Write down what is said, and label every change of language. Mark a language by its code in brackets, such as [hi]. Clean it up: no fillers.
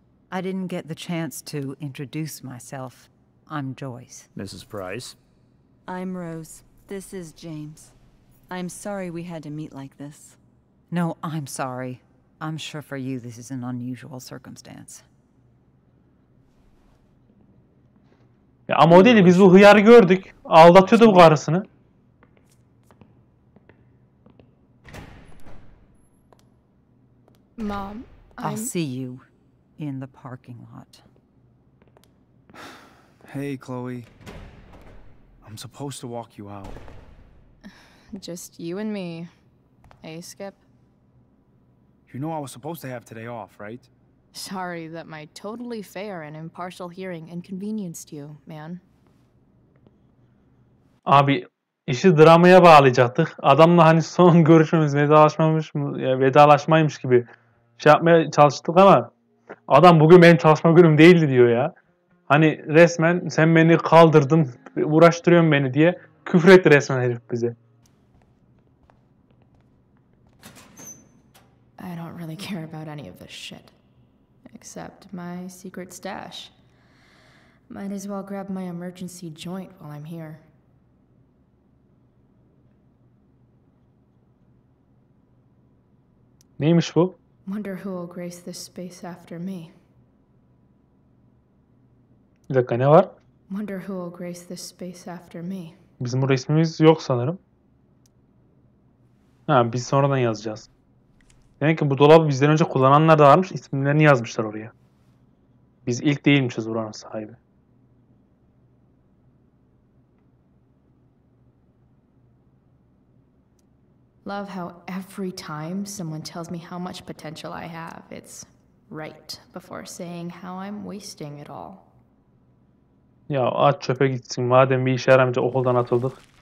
[en] I didn't get the chance to introduce myself. I'm Joyce. Mrs. Price. I'm Rose. This is James. I'm sorry we had to meet like this. No, I'm sorry. I'm sure for you this is an unusual circumstance. [tr] Ya ama o değil, biz bu hıyarı gördük. Aldatıyordu bu karısını. [en] Mom, I'll see you in the parking lot. Hey, Chloe. I'm supposed to walk you out. Just you and me, eh, Skip? You know I was supposed to have today off, right? Sorry that my totally fair and impartial hearing inconvenienced you, man. [tr] Abi, işi dramaya bağlayacaktık. Adamla hani son görüşmemiz vedalaşmaymış gibi şey yapmaya çalıştık ama adam bugün benim çalışma günüm değildi diyor ya. Hani resmen sen beni kaldırdın, uğraştırıyorsun beni diye küfretti resmen herif bize. [en] I don't really care about any of this shit. Except my secret stash. Might as well grab my emergency joint while I'm here. [tr] Neymiş bu? [en] Wonder who will grace this space after me. [tr] Bir dakika, ne var? [en] Wonder who will grace this space after me. [tr] Bizim bu resmimiz yok sanırım. Ha, biz sonradan yazacağız. Demek ki bu dolabı bizden önce kullananlar da varmış, isimlerini yazmışlar oraya. Biz ilk değilmişiz buranın sahibi. [en] Love how every time someone tells me how much potential I have, it's right before saying how I'm wasting it all. [tr] Ya at çöpe gitsin, madem bir işe yaramayınca okuldan atıldık.